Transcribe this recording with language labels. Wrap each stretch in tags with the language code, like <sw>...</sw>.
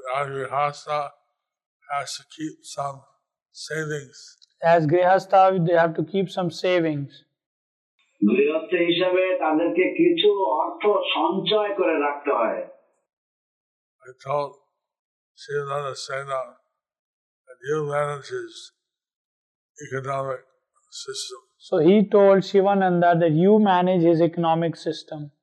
<en>Grihastha has to keep some savings. As grihastha, they have to keep some savings.</en> <bn>গৃহস্থ হিসাবে তাদেরকে কিছু অর্থ সঞ্চয় করে রাখতে হয়.</bn> <en>I told Srimad Sena that you manage economic system. So he told Shivananda that you manage his economic system.</en>